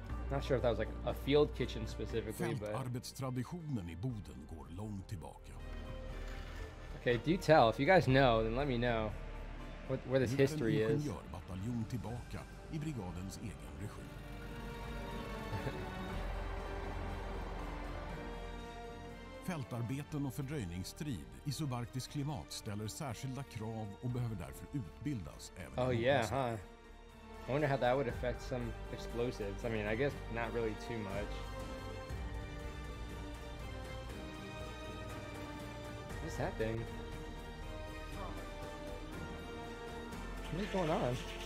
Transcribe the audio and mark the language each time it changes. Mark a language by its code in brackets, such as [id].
[en] Not sure if that was like a field kitchen specifically, but [sv] arbetstraditionen i Boden går långt tillbaka. [en] Okay, do tell. If you guys know, then let me know where this history is. [sv] Nu gör bataljon tillbaka i brigadens egen regi. Fältarbeten och fördröjningsstrid i subarktisk klimat ställer särskilda krav och behöver därför utbildas även. [en] Oh yeah, huh. I wonder how that would affect some explosives. I mean, I guess not really too much. What is that thing? What is going on?